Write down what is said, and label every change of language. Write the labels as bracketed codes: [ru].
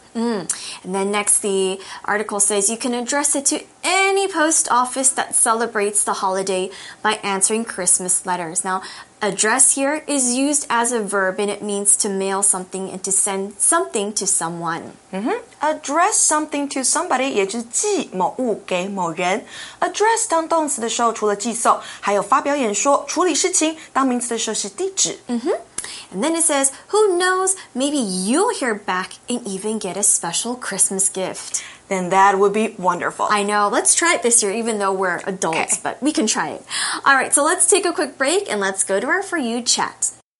[en] And then next, the article says you can address it to any post office that celebrates the holiday by answering Christmas letters. Now, address here is used as a verb and it means to mail something and to send something to someone. Address something to somebody, [zh] 也就是寄某物给某人。 Address 当动词的时候除了寄送，还有发表演说、处理事情，当名词的时候是地址。 [en] And then it says, who knows, maybe you'll hear back and even get a special Christmas gift. Then that would be wonderful. I know. Let's try it this year, even though we're adults, but we can try it. All right, so let's take a quick break and let's go to our For You Chat.